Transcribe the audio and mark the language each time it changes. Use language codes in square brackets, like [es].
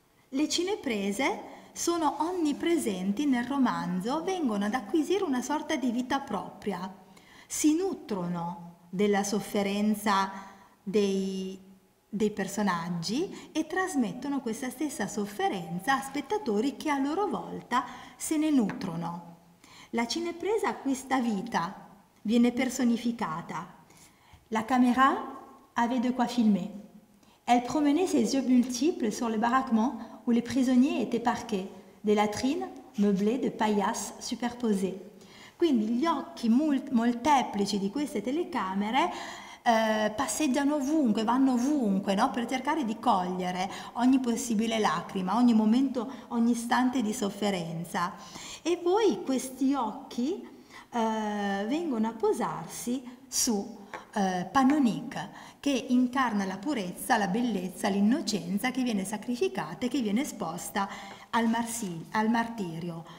[it] Le cineprese sono onnipresenti nel romanzo, vengono ad acquisire una sorta di vita propria, si nutrono della sofferenza dei personaggi e trasmettono questa stessa sofferenza a spettatori che a loro volta se ne nutrono. La cinepresa acquista vita, viene personificata. [fr] La caméra avait de quoi filmer. Elle promenait ses yeux multiples sur le baraquement où les prisonniers étaient parqués, des latrines meublées de paillasses superposées. [it] Quindi gli occhi molteplici di queste telecamere passeggiano ovunque, vanno ovunque, no? Per cercare di cogliere ogni possibile lacrima, ogni momento, ogni istante di sofferenza. E poi questi occhi vengono a posarsi su Panonique, che incarna la purezza, la bellezza, l'innocenza che viene sacrificata e che viene esposta al martirio.